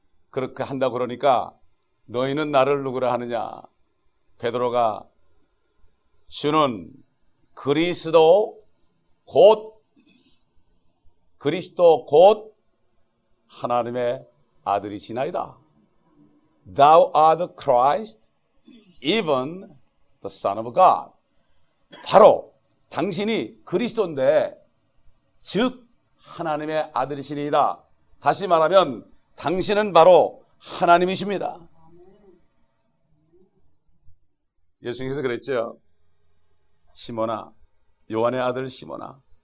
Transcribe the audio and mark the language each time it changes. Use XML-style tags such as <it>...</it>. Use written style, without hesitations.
<ko>그렇게 한다 그러니까 너희는 나를 누구라 하느냐? 베드로가 주는 그리스도 곧 하나님의 아들이시나이다.</ko> <en>Thou art the Christ, even the Son of God.</en> <ko>바로 당신이 그리스도인데 즉 하나님의 아들이시니이다. 다시 말하면 당신은 바로 하나님이십니다. 예수님께서 그랬죠. 시몬아, 요한의 아들 시몬아.</ko>